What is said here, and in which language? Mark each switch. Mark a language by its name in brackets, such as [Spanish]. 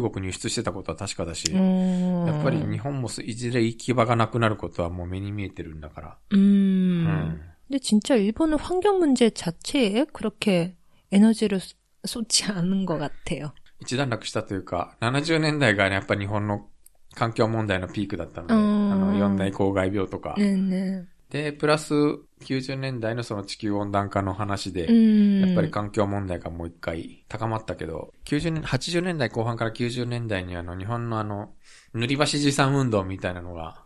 [Japanese] 多分でもきっとやっぱり日本も相当な量を中国に輸出してたことは確かだし やっぱり日本もいずれ行き場がなくなることはもう目に見えてるんだから [Korean] 근데 진짜 일본은 환경 문제 자체에 그렇게 에너지를 쏟지 않은 것 같아요. [Japanese] 一段落したというか 70年代 [Korean] 가 약간 [Japanese] 일본의 環境問題のピークだったので、四大公害病とか。ねね、で、プラス90年代のその地球温暖化の話で、やっぱり環境問題がもう一回高まったけど、80年代後半から90年代にあの日本のあの、塗り橋持参運動みたいなのが。